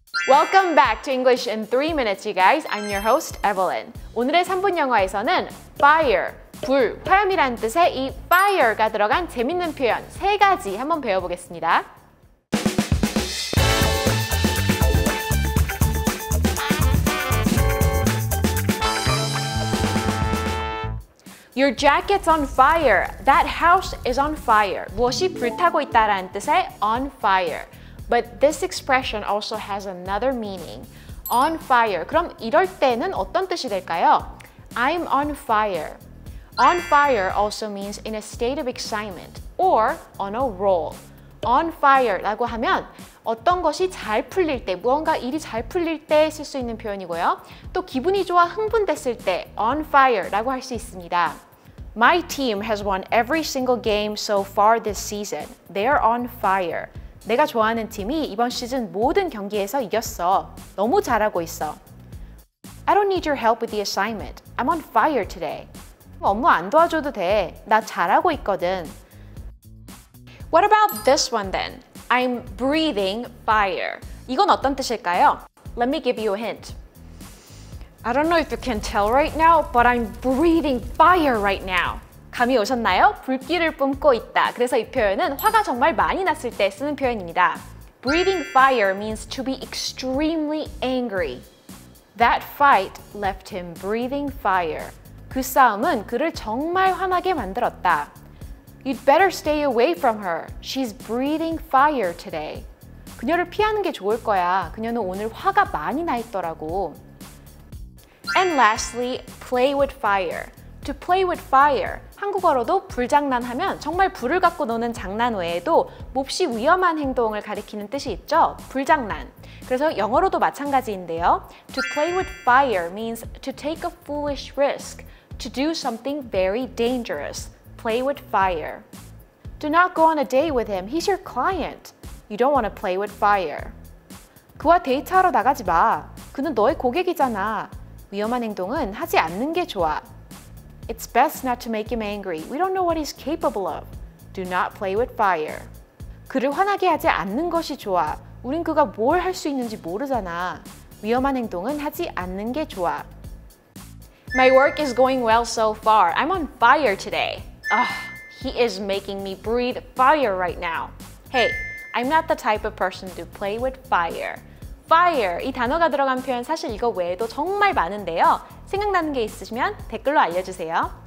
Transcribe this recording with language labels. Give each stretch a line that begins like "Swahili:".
English: Welcome back to English in 3 minutes, you guys. I'm your host, Evelyn.
Korean: 오늘의 3분 영어에서는 fire, 불, 화염이라는 뜻의 이 fire가 들어간 재밌는 표현 세 가지 한번 배워보겠습니다. 무엇이 불타고 있다라는 뜻의 on fire.
English: But this expression also has another meaning. On fire.
Korean: 그럼 이럴 때는 어떤 뜻이 될까요?
English: I'm on fire. On fire also means in a state of excitement or on a roll.
Korean: On fire라고 하면 어떤 것이 잘 풀릴 때, 무언가 일이 잘 풀릴 때 쓸 수 있는 표현이고요. 또 기분이 좋아 흥분됐을 때 on fire라고 할 수 있습니다.
English: My team has won every single game so far this season. They're on fire.
Korean: 내가 좋아하는 팀이 이번 시즌 모든 경기에서 이겼어. 너무 잘하고 있어.
English: I don't need your help with the assignment. I'm on fire today.
Korean: 업무 안 도와줘도 돼. 나 잘하고 있거든.
English: What about this one then? I'm breathing fire.
Korean: 이건 어떤 뜻일까요?
English: Let me give you a hint. I don't know if you can tell right now, but I'm breathing fire right now.
Korean: 감이 오셨나요? 불길을 뿜고 있다. 그래서 이 표현은 화가 정말 많이 났을 때 쓰는 표현입니다.
English: Breathing fire means to be extremely angry. That fight left him breathing fire.
Korean: 그 싸움은 그를 정말 화나게 만들었다.
English: You'd better stay away from her. She's breathing fire today.
Korean: 그녀를 피하는 게 좋을 거야. 그녀는 오늘 화가 많이 나 있더라고.
English: And lastly, play with fire. To play with fire.
Korean: 한국어로도 불장난하면 정말 불을 갖고 노는 장난 외에도 몹시 위험한 행동을 가리키는 뜻이 있죠. 불장난. 그래서 영어로도 마찬가지인데요.
English: To play with fire means to take a foolish risk. To do something very dangerous. Play with fire. Do not go on a date with him. He's your client. You don't want to play with fire.
Korean: 그와 데이트하러 나가지 마. 그는 너의 고객이잖아. 위험한 행동은 하지 않는 게 좋아.
English: It's best not to make him angry. We don't know what he's capable of. Do not play with fire.
Korean: 그를 화나게 하지 않는 것이 좋아. 우린 그가 뭘 할 수 있는지 모르잖아. 위험한 행동은 하지 않는 게 좋아.
English: My work is going well so far. I'm on fire today. Ugh, he is making me breathe fire right now. Hey, I'm not the type of person to play with fire.
Korean: Fire, 이 단어가 들어간 표현 사실 이거 외에도 정말 많은데요. 생각나는 게 있으시면 댓글로 알려주세요.